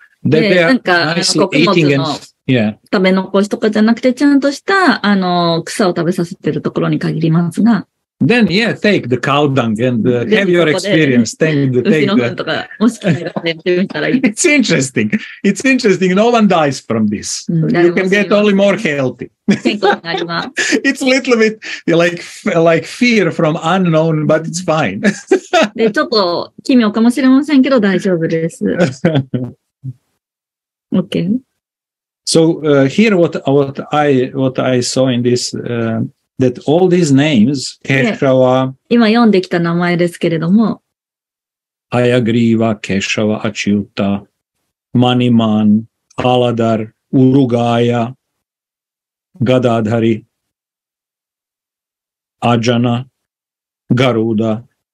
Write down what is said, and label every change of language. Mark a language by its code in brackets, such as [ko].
[en] That they are nicely eating and... Yeah. [ja] 食べ残しとかじゃなくて、ちゃんとした、あの、草を食べさせてるところに限りますが。 [en] Then, yeah, take the cow dung and have your experience. Take the, take the. It's interesting. It's interesting. No one dies from this. You can get only more healthy. It's a little bit like fear from unknown, but it's fine. [ja] ちょっと奇妙かもしれませんけど、大丈夫です。 [en] Okay. So, here what I saw in this, that all these names, Keshava. [ja] 今読んできた名前ですけれども。 [en] Hayagriva, Keshava, Achyuta, Maniman, Aladar, Urugaya, Gadadhari, Ajana, Garuda.